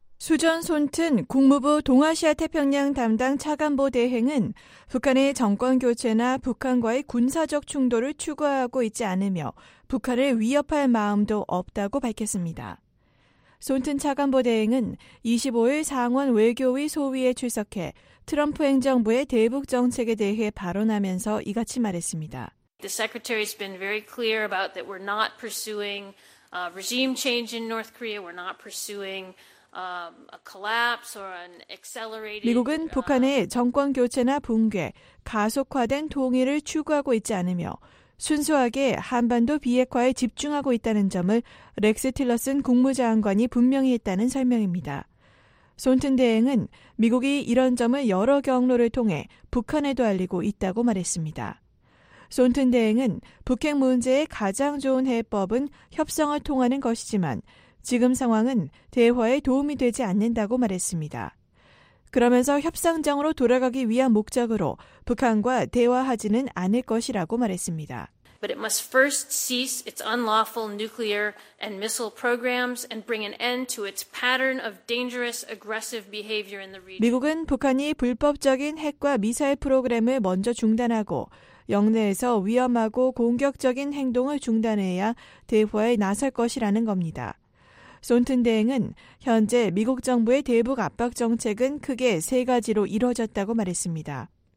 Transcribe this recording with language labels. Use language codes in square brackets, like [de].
[ko] 수전 손튼 국무부 동아시아태평양 담당 차관보 대행은 북한의 정권 교체나 북한과의 군사적 충돌을 추구하고 있지 않으며 북한을 위협할 마음도 없다고 밝혔습니다. 손튼 차관보 대행은 25일 상원 외교위 소위에 출석해 트럼프 행정부의 대북 정책에 대해 발언하면서 이같이 말했습니다. [en] The secretary has been very clear about that we're not pursuing regime change in North Korea. We're not pursuing a collapse or an accelerated [ko] 미국은 북한의 정권 교체나 붕괴, 가속화된 통일을 추구하고 있지 않으며 순수하게 한반도 비핵화에 집중하고 있다는 점을 렉스 틸러슨 국무장관이 분명히 했다는 설명입니다. 손튼 대행은 미국이 이런 점을 여러 경로를 통해 북한에도 알리고 있다고 말했습니다. 손튼 대행은 북핵 문제의 가장 좋은 해법은 협상을 통하는 것이지만 지금 상황은 대화에 도움이 되지 않는다고 말했습니다. 그러면서 협상장으로 돌아가기 위한 목적으로 북한과 대화하지는 않을 것이라고 말했습니다. [en] But it must first cease its unlawful nuclear and missile programs and bring an end to its pattern of dangerous aggressive behavior in the region. [ko] 미국은 북한이 불법적인 핵과 미사일 프로그램을 먼저 중단하고 영내에서 위험하고 공격적인 행동을 중단해야 대화에 나설 것이라는 겁니다. 손튼 대행은 현재 미국 정부의 대북 압박 정책은 크게 세 가지로 이루어졌다고 말했습니다.